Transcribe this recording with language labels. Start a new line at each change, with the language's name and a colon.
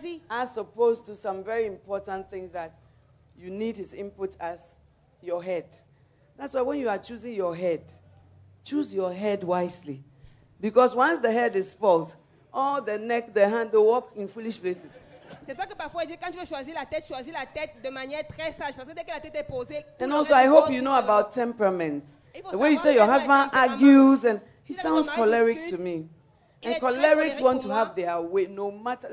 English: As opposed to some very important things that you need his input as your head. That's why when you are choosing your head, choose your head wisely. Because once the head is spoiled, all the neck, the hand, they walk in foolish places.
French: C'est ça que parfois il dit quand tu veux choisir la tête de manière très sage parce que dès que la tête est posée.
English: And also, I hope you know about temperaments. The way you say your husband argues and he sounds choleric to me. And cholerics want to have their way no matter.